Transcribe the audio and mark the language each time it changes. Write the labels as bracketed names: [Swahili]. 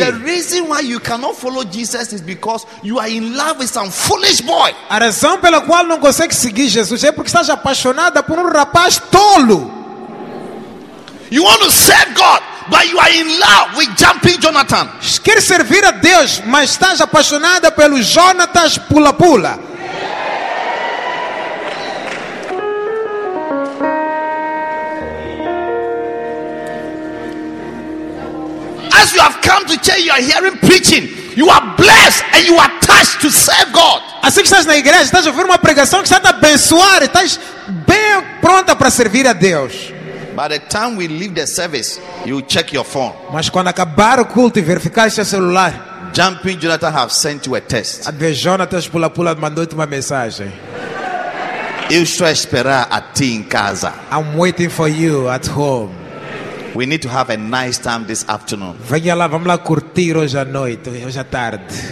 [English] The reason why you cannot follow Jesus is because you are in love with some foolish boy. [Portuguese] A razão pela qual não consegue seguir Jesus é porque estás apaixonada por rapaz tolo. [English] You want to serve God, but you are in love with jumping Jonathan. [Portuguese] Quer servir a Deus, mas estás apaixonada pelo Jonathan pula-pula. [English] As you have come to church, you are hearing preaching. You are blessed and you are touched to serve God. [Portuguese] Assim que estás na igreja, estás a ouvir uma pregação que está a abençoar, estás bem pronta para servir a Deus. [English] By the time we leave the service, you check your phone. [Portuguese] Mas quando acabar o culto e verificar seu celular, [English] Jumping Jonathan have sent you a text. [Portuguese] Adve Jonathan pula-pula mandou-te uma mensagem. Eu estou a esperar a ti em casa. [English] I'm waiting for you at home. We need to have a nice time this afternoon. [Portuguese] Venha lá, vamos lá curtir hoje à noite, hoje à tarde.